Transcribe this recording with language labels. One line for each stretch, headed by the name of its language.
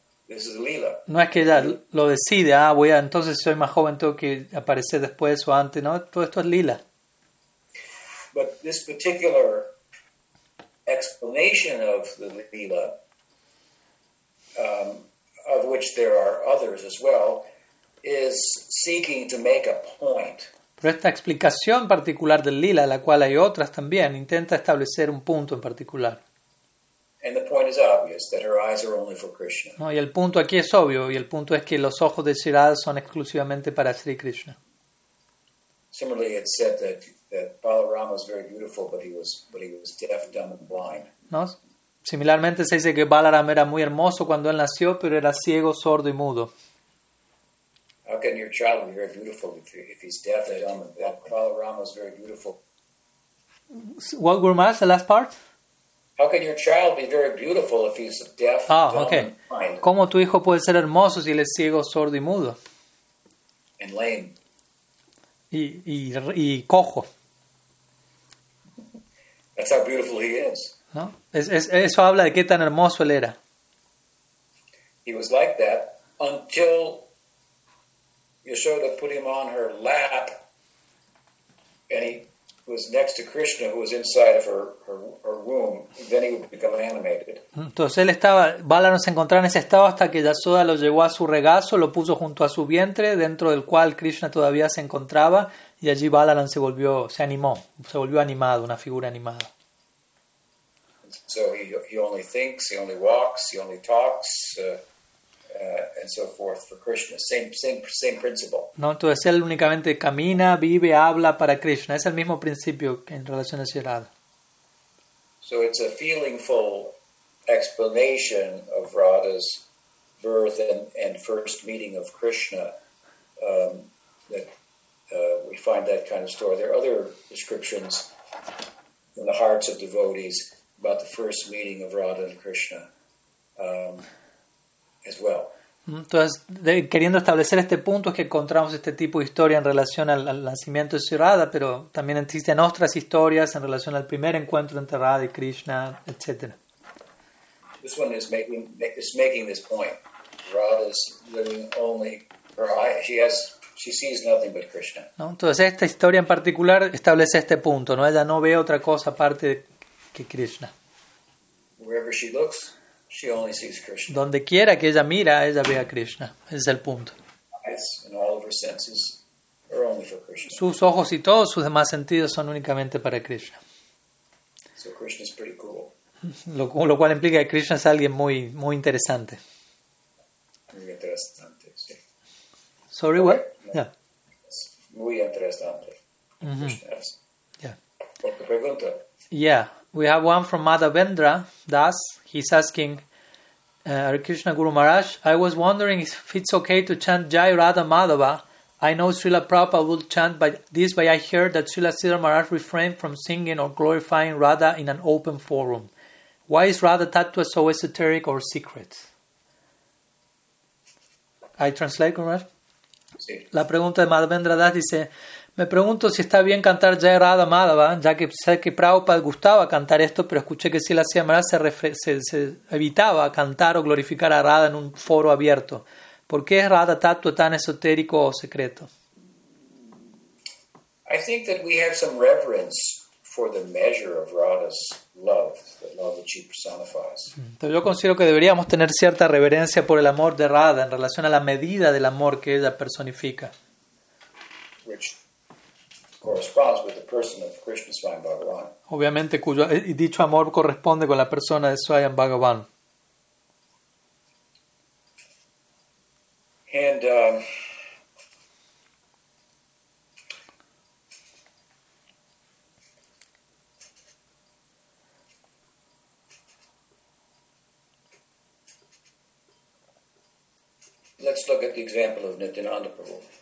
English: This is lila.
Spanish: No es que ella lo decide, ah, voy a, entonces soy más joven, tengo que aparecer después o antes, no, todo esto es lila.
English: But this particular explanation of the lila, of which there are others as well, is seeking to make a point.
Spanish: Pero esta explicación particular del lila, la cual hay otras también, intenta establecer un punto en particular.
English: And the point is obvious, that her eyes are only for Krishna.
Spanish: No, y el punto aquí es obvio, y el punto es que los ojos de Radha son exclusivamente para Sri Krishna.
English: Similarly, it's said that Balarama is very beautiful, but he was deaf, dumb, and blind.
Spanish: No. Similarmente se dice que Balaram era muy hermoso cuando él nació, pero era ciego, sordo y mudo.
English: How can your child be very beautiful if he's deaf and dumb? Balaram is very beautiful. What, Gurmaz, the last part? How can your child be very beautiful if he's deaf, dumb, and blind?
Spanish: ¿Cómo tu hijo puede ser hermoso si él es ciego, sordo y mudo?
English: And lame.
Spanish: y cojo.
English: That's how beautiful he is.
Spanish: ¿No? Eso habla de qué tan hermoso él era.
English: He was like that until Yashoda put him on her lap, and he was next to Krishna, who was inside of her womb. Then he would become animated.
Spanish: Entonces él estaba, Balaram se encontraba en ese estado hasta que Yashoda lo llevó a su regazo, lo puso junto a su vientre, dentro del cual Krishna todavía se encontraba, y allí Balaram se volvió animado, una figura animada.
English: So he only thinks, he only walks, he only talks. And so forth for Krishna. Same principle.
Spanish: No, entonces él únicamente camina, vive, habla para Krishna. Es el mismo principio que en relación a Radha.
English: So it's a feelingful explanation of Radha's birth and first meeting of Krishna. That we find that kind of story. There are other descriptions in the hearts of devotees about the first meeting of Radha and Krishna. As well.
Spanish: Entonces, queriendo establecer este punto, es que encontramos este tipo de historia en relación al nacimiento de Radha, pero también existen otras historias en relación al primer encuentro entre Radha y Krishna, etc.
English: This one is making this point. Radha is living only her eye. She sees nothing but Krishna.
Spanish: ¿No? Entonces, esta historia en particular establece este punto, ¿no? Ella no ve otra cosa aparte que Krishna.
English: Wherever she looks, she only sees Krishna.
Spanish: Donde quiera que ella mira, ella ve a Krishna. Ese es el punto.
English: Eyes and all of her senses are only for Krishna.
Spanish: Sus ojos y todos sus demás sentidos son únicamente para Krishna.
English: So Krishna is pretty cool.
Spanish: Lo cual implica que Krishna es alguien muy, muy interesante. Muy interesante, sí.
English: Sorry, okay. What? No. Yeah.
Spanish: Es muy interesante. Mm-hmm. Krishna es.
English: Yeah.
Spanish: ¿Por qué pregunta?
English: Yeah. We have one from Madhavendra Das. He's asking, Hare Krishna Guru Maharaj, I was wondering if it's okay to chant Jai Radha Madhava. I know Srila Prabhupada would chant but I heard that Srila Siddhar Maharaj refrained from singing or glorifying Radha in an open forum. Why is Radha Tattva so esoteric or secret? I translate, Guru Maharaj?
Spanish: Sí. La pregunta de Madhavendra Das dice, me pregunto si está bien cantar Jai Radha Madhava, ya que sé que Prabhupada gustaba cantar esto, pero escuché que Srila Siddhar Maharaj se evitaba cantar o glorificar a Radha en un foro abierto. ¿Por qué es Radha Tattva tan esotérico o secreto?
English: I think that we have some reverence for the measure of Radha's love, the love that she personifies.
Spanish: Entonces yo considero que deberíamos tener cierta reverencia por el amor de Radha en relación a la medida del amor que ella personifica.
English: Which corresponds with the person of Krishna Swami Bhagavan.
Spanish: Obviamente, dicho amor corresponde con la persona de Swami Bhagavan.
English: And let's look at the example of Nityananda Prabhu.